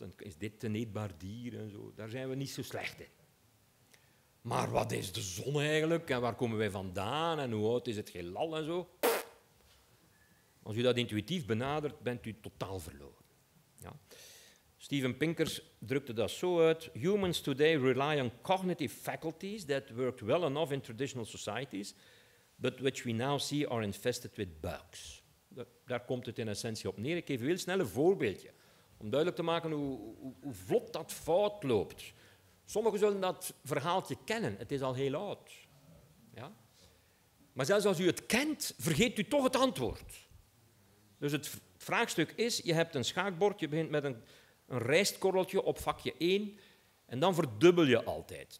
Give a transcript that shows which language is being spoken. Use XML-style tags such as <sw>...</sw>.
<nl>En is dit een eetbaar dier? En zo? Daar zijn we niet zo slecht in. Maar wat is de zon eigenlijk? En waar komen wij vandaan? En hoe oud is het heelal? En zo? Als u dat intuïtief benadert, bent u totaal verloren. Ja. Steven Pinker drukte dat zo uit.</nl> <en>Humans today rely on cognitive faculties that worked well enough in traditional societies, but which we now see are infested with bugs.</en> <nl>Daar komt het in essentie op neer. Ik geef u heel snel een voorbeeldje. Om duidelijk te maken hoe vlot dat fout loopt. Sommigen zullen dat verhaaltje kennen. Het is al heel oud. Ja? Maar zelfs als u het kent, vergeet u toch het antwoord. Dus het vraagstuk is, je hebt een schaakbord, je begint met een rijstkorreltje op vakje 1 en dan verdubbel je altijd.</nl>